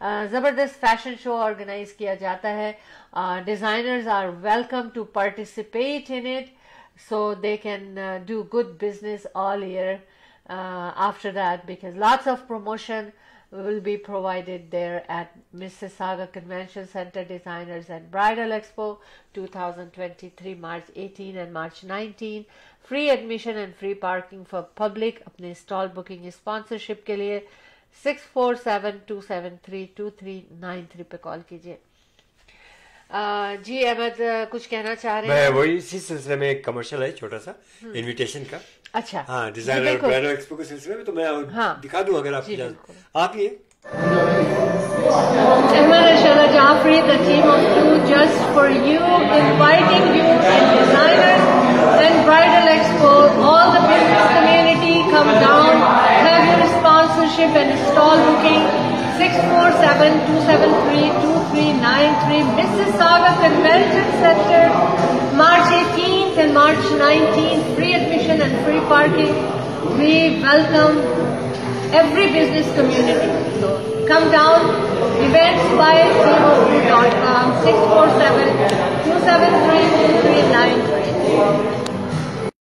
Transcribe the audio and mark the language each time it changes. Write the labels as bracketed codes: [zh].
[ur] زبردست fashion show organise کیا جاتا ہے, [en] Designers are welcome to participate in it so they can do good business all year after that, because lots of promotion will be provided there at Mississauga Convention Center Designers and Bridal Expo 2023 March 18 and March 19. Free admission and free parking for public. [ur] Apne stall booking sponsorship ke liye 647-273-2393 pe call kijiye. جی احمد, کچھ کہنا چاہ رہے ہیں؟ وہی اسی سلسلے میں ایک کمرشل ہے چھوٹا سا انویٹیشن کا. اچھا ہاں, ڈیزائنر برائڈل ایکسپو کے سلسلے میں, تو میں دکھا دوں اگر آپ کی اجازت. آپ یہ [en] Ahmed Shehla Jafri, the team of to just for you inviting you and designer and bridal expo, all the business community come down, have your sponsorship and stall booking 647-273-2393, Mississauga Convention Center, March 18th and March 19th, free admission and free parking. We welcome every business community. So come down, events by teamofyou.com, 647-273-2393.